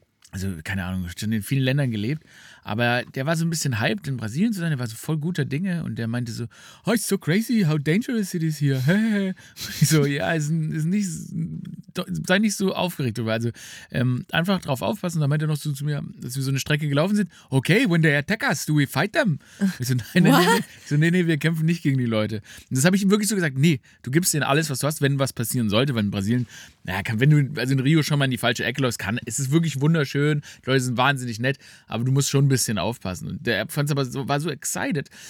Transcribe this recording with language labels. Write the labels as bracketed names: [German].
[German] Also, keine Ahnung, schon in vielen Ländern gelebt. Aber der war so ein bisschen hyped, in Brasilien zu sein. Der war so voll guter Dinge. Und der meinte so, [English] oh, it's so crazy, how dangerous it is here. [German] Ich so, ja, sei nicht so aufgeregt. Also, einfach drauf aufpassen. Da meinte er noch so zu mir, dass wir so eine Strecke gelaufen sind. [English] Okay, when they attack us, do we fight them? [German] Ich so, nein, wir kämpfen nicht gegen die Leute. Und das habe ich ihm wirklich so gesagt, nee, du gibst denen alles, was du hast, wenn was passieren sollte. Weil in Brasilien, wenn du also in Rio schon mal in die falsche Ecke läufst, ist es wirklich wunderschön. Die Leute sind wahnsinnig nett, aber du musst schon ein bisschen aufpassen. Und der fand es aber so, war so excited.